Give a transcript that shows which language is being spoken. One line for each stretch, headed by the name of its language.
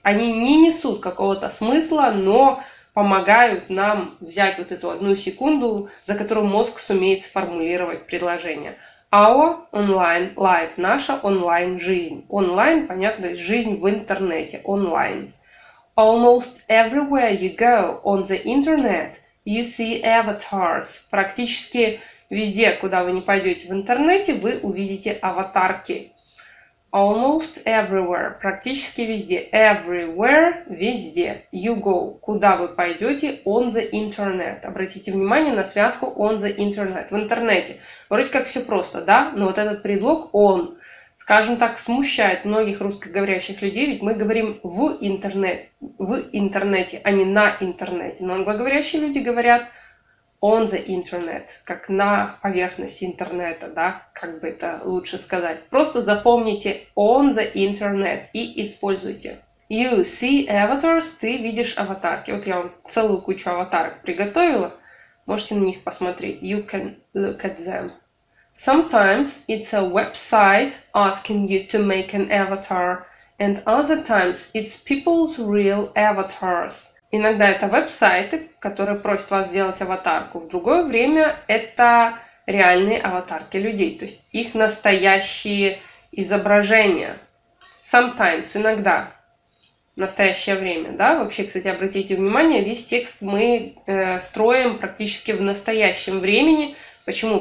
Russian: Они не несут какого-то смысла, но помогают нам взять вот эту одну секунду, за которую мозг сумеет сформулировать предложение.
English: Our online life,
Russian: наша онлайн-жизнь. Онлайн, понятно, жизнь в интернете, онлайн.
English: Almost everywhere you go on the internet, you see avatars.
Russian: Практически везде, куда вы не пойдете в интернете, вы увидите аватарки.
English: Almost everywhere,
Russian: практически везде, everywhere, везде,
English: you go,
Russian: куда вы пойдете,
English: on the internet,
Russian: обратите внимание на связку on the internet, в интернете, вроде как все просто, да, но вот этот предлог on, скажем так, смущает многих русскоговорящих людей, ведь мы говорим в интернете, а не на интернете, но англоговорящие люди говорят
English: on the internet,
Russian: как на поверхности интернета, да, как бы это лучше сказать. Просто запомните
English: on the internet
Russian: и используйте.
English: You see avatars,
Russian: ты видишь аватарки. Вот я вам целую кучу аватарок приготовила, можете на них посмотреть.
English: You can look at them. Sometimes it's a website asking you to make an avatar, and other times it's people's real avatars.
Russian: Иногда это веб-сайты, которые просят вас сделать аватарку. В другое время это реальные аватарки людей, то есть их настоящие изображения. Sometimes, иногда, настоящее время, да? Вообще, кстати, обратите внимание, весь текст мы строим практически в настоящем времени. Почему?